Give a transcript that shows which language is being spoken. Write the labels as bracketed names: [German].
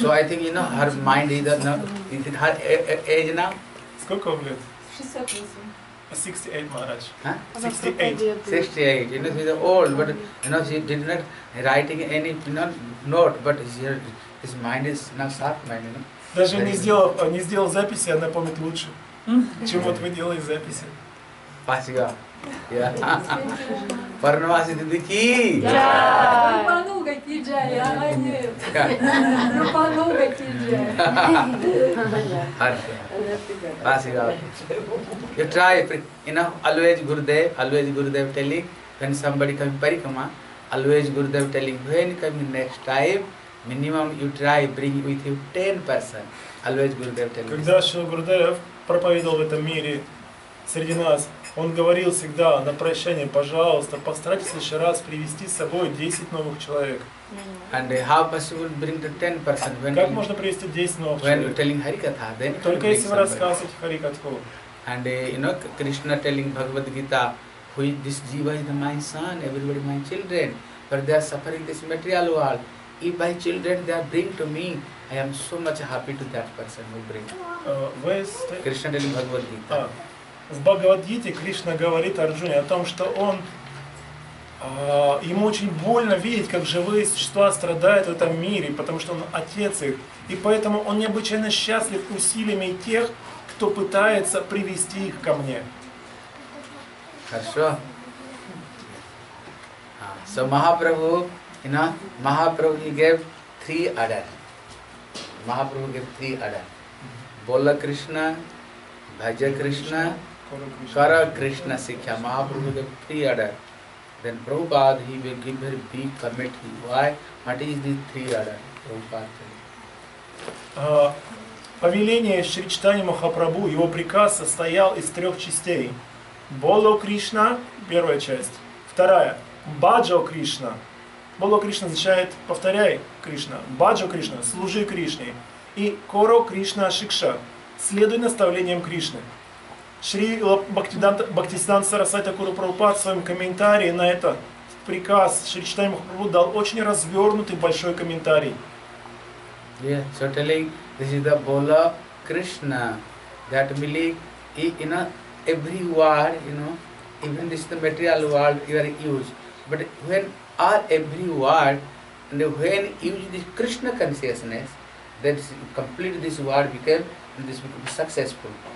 [English] So I think, you know, her mind is not... Is it her age now? [Russian] Сколько вам лет? 68. [English] 68, Maharaj. Huh? 68. 68. You know, she's old, but you know, she did not writing any, you know, note, but his mind is not sharp mind, you know. [Russian] Даже не сделал записи, она помнит лучше, чем вот вы делали записи. Спасибо. [English] Yeah. [Russian] Варнаваси ты ки? Рупануга ки джай, а нет. Рупануга ки джай. Хорошо. Спасибо. [English] You try, you know, always Gurudev telling, when somebody comes parikama, always Gurudev telling, when coming next time, minimum you try bring with you 10%. Always Gurudev telling. [Russian] Когда Шрила Гурудев проповедовал в этом мире среди нас, он говорил всегда на прощание, пожалуйста, постарайтесь еще раз привести с собой 10 новых человек. [English] And how possible bring the 10% when? [Russian] Как можно привести 10 новых человек? [English] When you telling Харикатха, then. [Russian] Только если вы рассказываете Харикатху. [English] And you know, Krishna telling Bhagavad Gita, who is this jiva is my son, everybody my children, but they are suffering this material world. If my children they are bring to me, I am so much happy to that person who bring. Krishna telling Bhagavad Gita. [Russian] В Бхагавад-гите Кришна говорит Арджуне о том, что он ему очень больно видеть, как живые существа страдают в этом мире, потому что он отец их. И поэтому он необычайно счастлив усилиями тех, кто пытается привести их ко мне. Хорошо. [English] So Mahaprabhu, you know, Mahaprabhu gave three order. Mahaprabhu gave three order. [Bangla] Bola Krishna, Bhaja Krishna, Kara Krishna Sikha. [English] Mahaprabhu gave three order. Then Prabhupada, he will give her big commitment. Why? What is the three order? Prabhupada. [Russian] Повеление Шри Чайтанья Махапрабху, его приказ состоял из трех частей. Боло Кришна, первая часть. Вторая. Баджо Кришна. Боло Кришна означает повторяй Кришна. Баджо Кришна, служи Кришне. И Коро Кришна Шикша, следуй наставлениям Кришны. Шри Бхактисиддханта Сарасвати Тхакура Прабхупада в своем комментарии на этот приказ Шри Чайтанья Махапрабху дал очень развернутый большой комментарий. [English] Yeah, certainly this is the Bola Krishna. That believe in you know, every word, you know, even this is the material world you are used. But when are every word and when use this Krishna consciousness, then complete this word became this become successful.